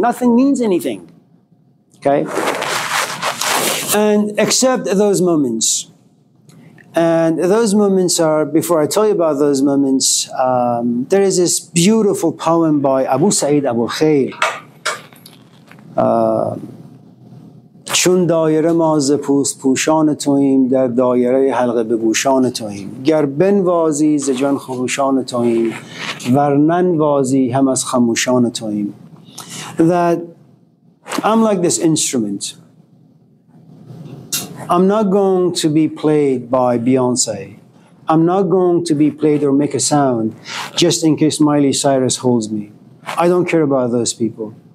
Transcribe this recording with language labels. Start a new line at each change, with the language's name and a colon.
English: Nothing means anything. Okay? And accept those moments. And those moments are, before I tell you about those moments, there is this beautiful poem by Abu Sa'id Abu Khair.
Persian: چون دایره ما ز پوست پوشان توییم در دایره حلقه به گوشان توییم گر بنوازی ز جان خموشان توییم ور ننوازی هم از خموشان توییم.
English: That I'm like this instrument. I'm not going to be played by Beyonce. I'm not going to be played or make a sound just in case Miley Cyrus holds me. I don't care about those people.